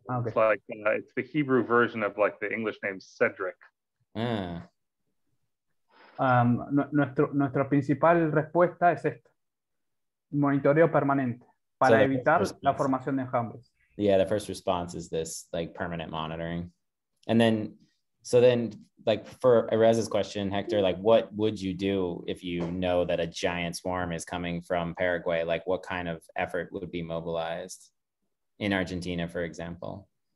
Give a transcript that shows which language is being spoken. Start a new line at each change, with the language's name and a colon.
English: It's like it's the Hebrew version of like the English name Cedric.
Spanish: Nuestra principal respuesta es esta, monitoreo permanente para evitar la formación de enjambres.
English: Yeah, the first response is this like permanent monitoring. And then So then, like, for Erez's question, Hector, like, what would you do if you know that a giant swarm is coming from Paraguay? Like, what kind of effort would be mobilized in Argentina, for example?